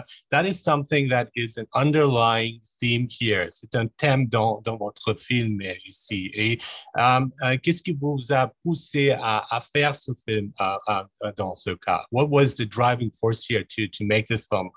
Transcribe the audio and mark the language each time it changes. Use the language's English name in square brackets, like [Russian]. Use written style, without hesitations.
[English] That is something that is an underlying theme here. [French] C'est un thème dans votre film ici. Et qu'est-ce qui vous a poussé à faire ce film dans ce cas? [English] What was the driving force here to make this film?